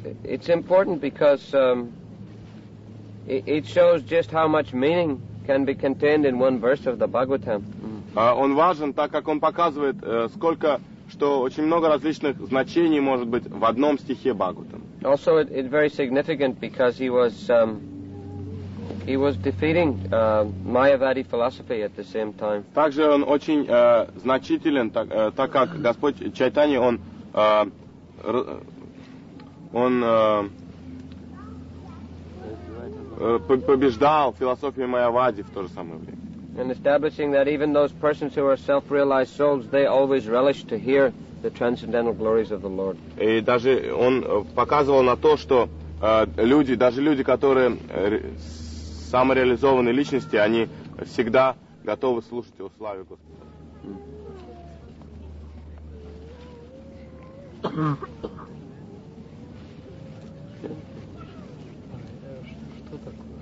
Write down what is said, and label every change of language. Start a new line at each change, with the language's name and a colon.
English: It's important because it shows just how much meaning can be contained in one verse of the Bhagavatam.
Russian: Он важен, так как он показывает, сколько, что очень много различных значений может быть в одном стихе Бхагаватам.
English: Also, it's very significant because he was defeating Mayavadi philosophy at the same time.
Russian: Также он очень значителен, так как Господь Чайтанья, он побеждал философию Майявади в то же самое время.
English: And establishing that even those persons who are self-realized souls, they always relish to hear the transcendental glories of the Lord.
Russian: И даже он показывал на то, что люди, даже люди, которые самореализованные личности, они всегда готовы слушать о славе Господа. Что такое?